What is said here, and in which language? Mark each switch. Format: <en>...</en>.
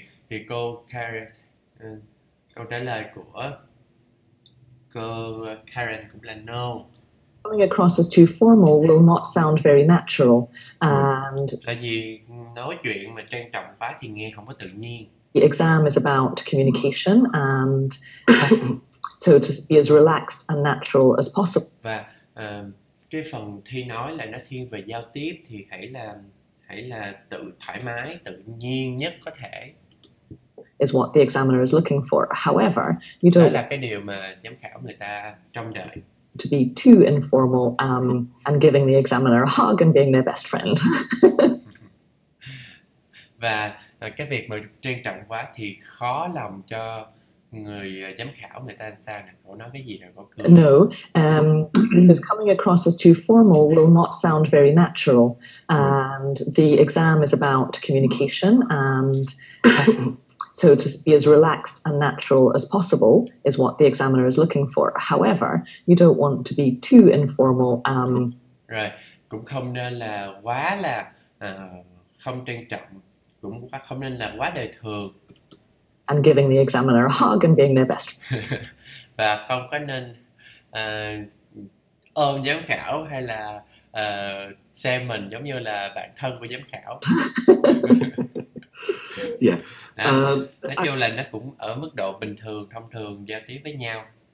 <vi>thì cô Karen, câu trả lời của cô Karen cũng là no.</vi> <en>Coming across as too formal will not sound very natural. And</en> <vi>tại vì nói chuyện mà trang trọng quá thì nghe không có tự nhiên.</vi> <en>The exam is about communication and so to be as relaxed and natural as possible.</en> <vi>Và cái phần thi nói là nó thiên về giao tiếp thì hãy là tự thoải mái, tự nhiên nhất có thể.</vi> <en>Is what the examiner is looking for. However, you don't.</en> <vi>Đó là cái điều mà giám khảo người ta trông đợi.</vi> <en>To be too informal and giving the examiner a hug and being their best friend.</en> <vi>Và cái việc mà trang trọng quá thì khó lòng cho người giám khảo người ta sao nè, cậu nói cái gì rồi, cậu cười.</vi> <en>No, because coming across as too formal will not sound very natural. And the exam is about communication and so to be as relaxed and natural as possible is what the examiner is looking for. However, you don't want to be too informal. Right,</en> <vi>cũng không nên là quá là không trân trọng, cũng không nên là quá đời thường.</vi> <en>And giving the examiner a hug and being their best.</en> <vi>Và không có nên ôm giám khảo hay là xem mình giống như là bạn thân của giám khảo.</vi> <en>Yeah.</en> <vi>Nói chung là nó cũng ở mức độ bình thường, thông thường giao tiếp với nhau.</vi>